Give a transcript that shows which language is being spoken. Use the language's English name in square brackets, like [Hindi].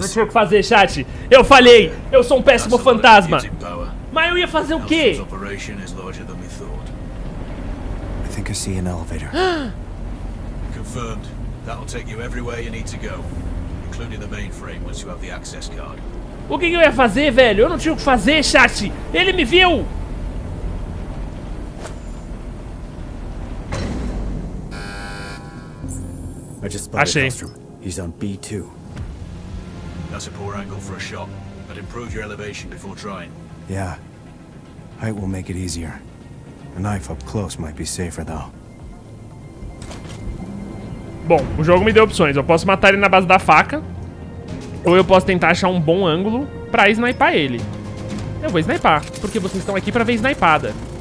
[Portuguese] Não tinha o que fazer, chat. Eu falhei. Eu sou um péssimo fantasma. Mas eu ia fazer o quê? [English] Hellstrom's operation is larger than we thought. I think I see an elevator. Confirmed. That'll take you everywhere you need to go, including the mainframe once you have the access card. [Portuguese] O que eu ia fazer, velho? Eu não tinha o que fazer, chat. Ele me viu. [English] I just spotted Hellstrom. He's on B2. That's a poor angle for a shot. I'd improve your elevation before trying. Yeah. Height will make it easier. A knife up close might be safer, though. [Portuguese] Bom, o jogo me deu opções. Eu posso matar ele na base da faca. Ou eu posso tentar achar um bom ângulo pra snipar ele. Eu vou snipar, porque vocês estão aqui pra ver snipada.